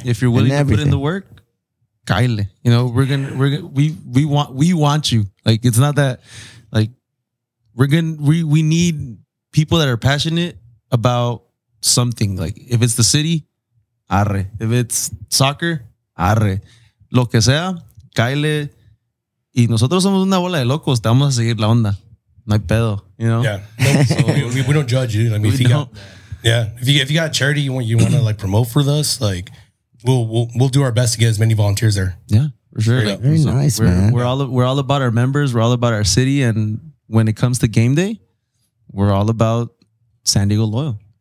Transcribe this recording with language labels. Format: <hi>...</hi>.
<en>If you're willing to put in the work. Kyle, you know, we want you. Like, it's not that, like, we need people that are passionate about something. Like, if it's the city, arre. If it's soccer, arre.</en> <es>lo que sea, cáile. Y nosotros somos una bola de locos, te vamos a seguir la onda. No hay pedo,</es> <en>you know? Yeah. No, so we don't judge you. I mean, if you got a charity you want to like promote for us, like we'll do our best to get as many volunteers there. Yeah, for sure. Very nice, man. We're all about our members, we're all about our city, and when it comes to game day, we're all about San Diego Loyal.</en>